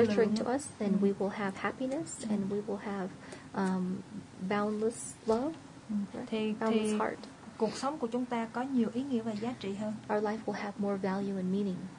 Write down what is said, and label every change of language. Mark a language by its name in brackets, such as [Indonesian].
[English] nurturing to us then we will have happiness and we will have boundless love. [Vietnamese] Thì cuộc sống của chúng ta có nhiều ý nghĩa và giá trị hơn. [English] Our life will have more value and meaning.